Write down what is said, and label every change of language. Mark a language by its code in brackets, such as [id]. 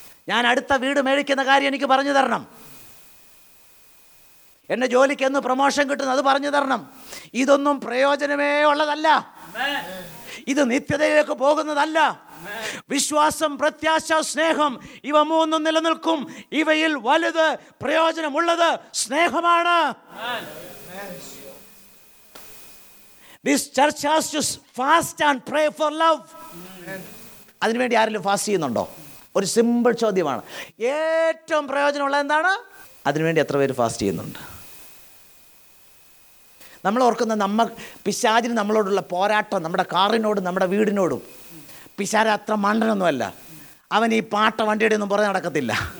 [ml] ഞാൻ അടുത്ത വീട് മേടിക്കുന്ന കാര്യം എനിക്ക് പറഞ്ഞു തരണം, എന്നെ ജോലിക്ക് എന്ന് പ്രൊമോഷൻ കിട്ടുന്നു അത് പറഞ്ഞു തരണം. ഇതൊന്നും പ്രയോജനമേ ഉള്ളതല്ല, ഇത് നിത്യതയിലേക്ക് പോകുന്നതല്ല. വിശ്വാസം, പ്രത്യാശ, സ്നേഹം, ഇവ മൂന്നും നിലനിൽക്കും. ഇവയിൽ വലുത് പ്രയോജനമുള്ളത് സ്നേഹമാണ്. [en] This church has to fast and pray for love. [ml] അതിനുവേണ്ടി ആരെങ്കിലും ഫാസ്റ്റ് ചെയ്യുന്നുണ്ടോ? ഒരു സിമ്പിൾ ചോദ്യമാണ്, ഏറ്റവും പ്രയോജനമുള്ള എന്താണ്? അതിനുവേണ്ടി എത്ര പേര് ഫാസ്റ്റ് ചെയ്യുന്നുണ്ട്? നമ്മൾ ഓർക്കുന്ന നമ്മ പിശാചിന് നമ്മളോടുള്ള പോരാട്ടം നമ്മുടെ കാറിനോടും നമ്മുടെ വീടിനോടും. പിശാച് അത്ര മണ്ടനൊന്നുമല്ല. അവൻ ഈ പാട്ട വണ്ടിയുടെ ഒന്നും പുറത്ത് നടക്കത്തില്ല.